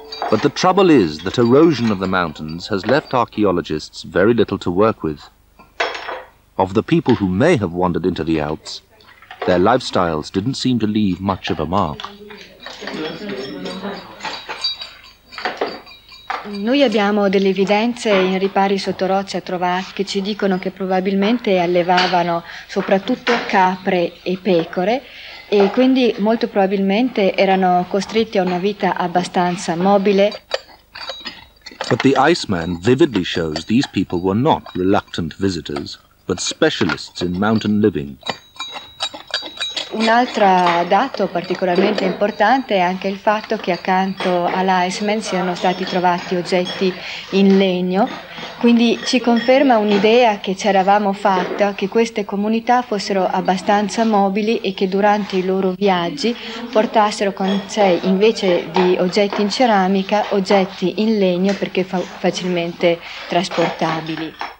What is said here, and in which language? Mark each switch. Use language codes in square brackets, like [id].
[en] But the trouble is that erosion of the mountains has left archaeologists very little to work with. Of the people who may have wandered into the Alps, their lifestyles didn't seem to leave much of a mark. [it] Noi abbiamo delle evidenze in ripari sotto roccia trovati che ci dicono che probabilmente allevavano soprattutto capre e pecore. E quindi molto probabilmente erano costretti a una vita abbastanza mobile. [en] But the Iceman vividly shows these people were not reluctant visitors, but specialists in mountain living. [it] Un altro dato particolarmente importante è anche il fatto che accanto all'Iceman siano stati trovati oggetti in legno. Quindi ci conferma un'idea che ci eravamo fatta, che queste comunità fossero abbastanza mobili e che durante i loro viaggi portassero con sé, invece di oggetti in ceramica, oggetti in legno perché facilmente trasportabili.